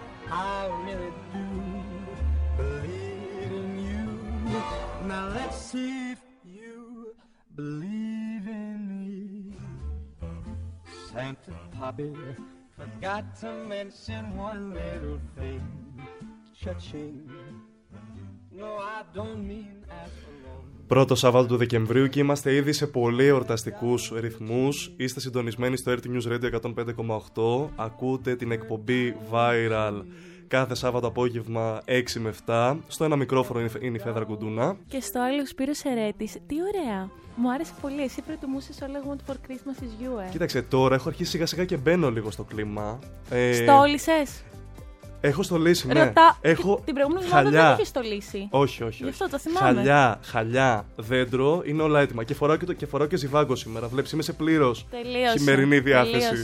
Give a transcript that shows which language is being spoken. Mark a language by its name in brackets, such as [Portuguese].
[English] I really do believe in you. Now let's see if you believe in me. Santa Poppy forgot to mention one little thing. Cha-ching. No, I don't mean as [Greek] Πρώτο Σάββατο του Δεκεμβρίου και είμαστε ήδη σε πολύ εορταστικούς ρυθμούς. Είστε συντονισμένοι στο Earth News Radio 105,8. Ακούτε την εκπομπή Viral κάθε Σάββατο απόγευμα 6 με 7. Στο ένα μικρόφωνο είναι η Φέδρα Κουντούνα. Και στο άλλο Σπύρος Ερέτης. Τι ωραία! Μου άρεσε πολύ. Εσύ προτιμούσες All I Want for Christmas is You, eh? Κοίταξε τώρα, έχω αρχίσει σιγά σιγά και μπαίνω λίγο στο κλίμα. Στόλισες! Έχω στολίσει, ναι. Την προηγούμενη χαλιά. Δεν είχε στολίσει. Όχι. Γι' αυτό το θυμάμαι. Χαλιά, δέντρο, είναι όλα έτοιμα. Και φοράω και, το, και, φοράω και ζιβάγκο σήμερα. Βλέπεις, είμαι σε πλήρως χειμερινή διάθεση.